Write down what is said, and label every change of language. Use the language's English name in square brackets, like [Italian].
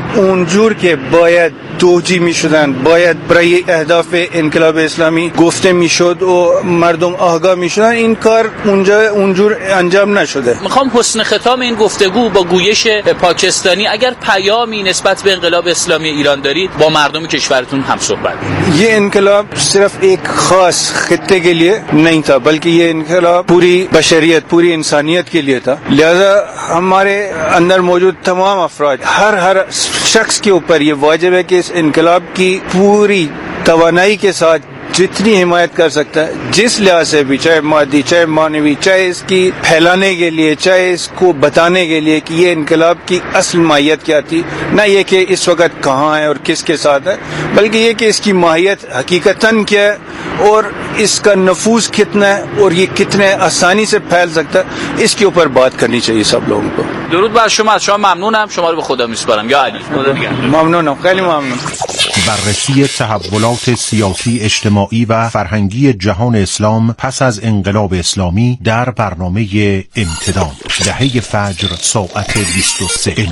[Persian] اونجور که باید توجیه می شدن، باید برای اهداف انقلاب اسلامی گفته می شد و مردم آگاه می شدن، این کار اونجا اونجور انجام نشده. میخوام حسن ختام این گفتگو با گویش پاکستانی، اگر پیامی نسبت به انقلاب اسلامی ایران دارید با مردم کشورتون هم صحبت. [Urdu] یه انقلاب صرف یک خاص خطه کے لیے نہیں تھا، بلکہ یہ انقلاب پوری بشریت، پوری انسانیت کے لیے تھا. لہذا ہمارے اندر موجود تمام افراد، ہر شخص کے اوپر یہ واجب ہے کہ اس انقلاب کی پوری توانائی کے ساتھ جتنی حمایت کر سکتا ہے جس لحاظ سے بھی، چاہے مادی چاہے معنوی، چاہے اس کی پھیلانے کے لیے، چاہے اس کو بتانے کے لیے کہ یہ انقلاب کی اصل ماہیت کیا تھی، نہ یہ کہ اس وقت کہاں ہے اور کس کے ساتھ ہے، بلکہ یہ کہ اس کی ماہیت حقیقتاً کیا ہے اور اس کا نفوذ کتنا ہے اور یہ کتنے آسانی سے پھیل سکتا ہے، اس کے اوپر بات کرنی چاہیے سب لوگوں کو. [Persian] درود بر شما، شما ممنونم، شما رو به خدا میسپارم. یا علی، ممنونم، خیلی ممنون. بررسی تحولات سیاسی، اجتماعی و فرهنگی جهان اسلام پس از انقلاب اسلامی در برنامه امتداد، دهه فجر، ساعت 23.